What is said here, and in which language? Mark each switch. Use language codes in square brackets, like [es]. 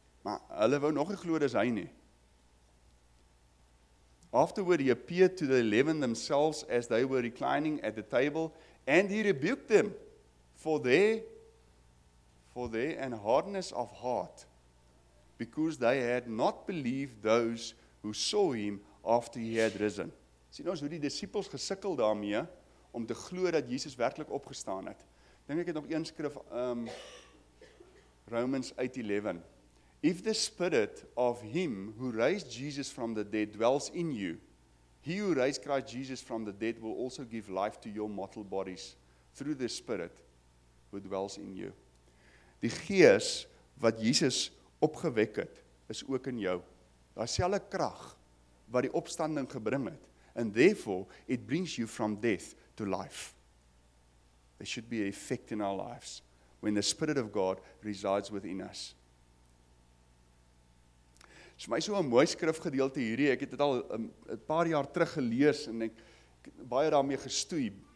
[af] Maar hulle wou nog nie glo dis hy nie. [en] Afterward, he appeared to the 11 themselves as they were reclining at the table, and he rebuked them for their and hardness of heart, because they had not believed those who saw him after he had risen. [af] Sien ons hoe die disciples gesukkel daarmee om te glo dat Jesus werklik opgestaan het. Dink ek het op een skrif Romans 8:11. [en] If the spirit of him who raised Jesus from the dead dwells in you, he who raised Christ Jesus from the dead will also give life to your mortal bodies through the spirit who dwells in you. [af] Die gees wat Jesus opgewek het, is ook in jou. Daar selfe krag wat die opstanding gebring het. [en] And therefore, it brings you from death to life. There should be an effect in our lives when the spirit of God resides within us. [af] Dit is my so 'n mooi skrifgedeelte hierdie, ek het dit al 'n paar jaar terug gelees en ek baie daarmee gestoei.